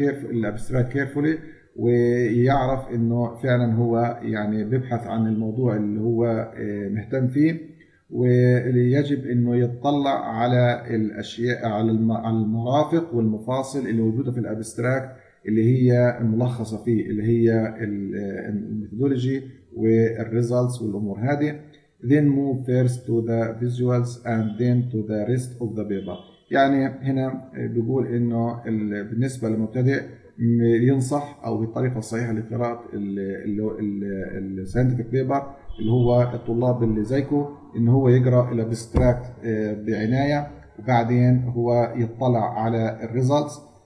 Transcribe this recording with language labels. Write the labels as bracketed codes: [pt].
[ar] الابستراكت كيرفولي ويعرف انه فعلا هو يعني بيبحث عن الموضوع اللي هو مهتم فيه، ويجب انه يطلع على الاشياء على المرافق والمفاصل اللي موجوده في الابستراكت اللي هي ملخصه فيه، اللي هي الميثودولوجي والريزلتس والامور هذه. [en] Then move first to the visuals and then to the rest of the paper. [ar] يعني هنا بيقول إنه بالنسبة للمبتدئ ينصح أو بالطريقة الصحيحة لقراءة ال scientific paper اللي هو الطلاب اللي زيكو، إن هو يقرأ الابستراكت بعناية وبعدين هو يطلع على الريزلتس.